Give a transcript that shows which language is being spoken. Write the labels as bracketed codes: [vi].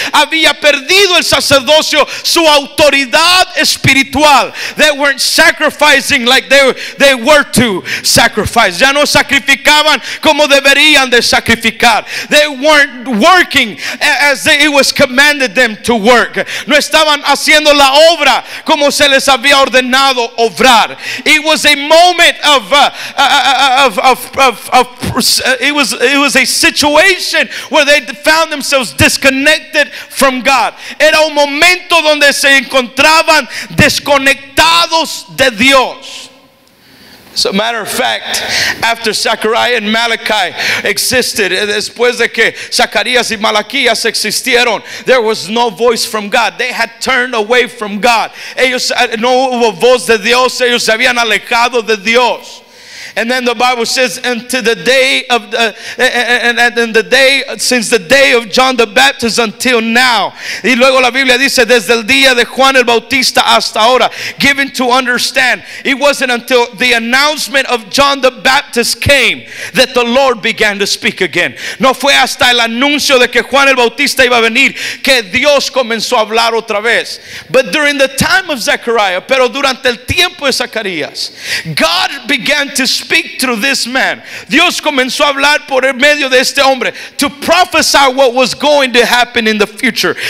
[es] Había perdido el sacerdocio su autoridad espiritual. [en] They weren't sacrificing like they were to sacrifice. [es] Ya no sacrificaban como deberían de sacrificar. [en] They weren't working as it was commanded them to work. [es] No estaban haciendo la obra como se les había ordenado obrar. [en] It was a moment of a situation where they found themselves disconnected from God. [es] Era un momento donde se encontraban desconectados de Dios. [en] As a matter of fact, after Zechariah and Malachi existed, [es] después de que Zacarías y Malaquías existieron, [en] there was no voice from God. They had turned away from God. [es] Ellos no hubo voz de Dios. Ellos se habían alejado de Dios. [en] And then the Bible says, since the day of John the Baptist until now. [es] Y luego la Biblia dice, desde el día de Juan el Bautista hasta ahora. [en] Given to understand, it wasn't until the announcement of John the Baptist came that the Lord began to speak again. [es] No fue hasta el anuncio de que Juan el Bautista iba a venir que Dios comenzó a hablar otra vez. [en] But during the time of Zechariah, [es] pero durante el tiempo de Zacarías, [en] God began to speak through this man. [es] Dios comenzó a hablar por el medio de este hombre [en] to prophesy what was going to happen in the future.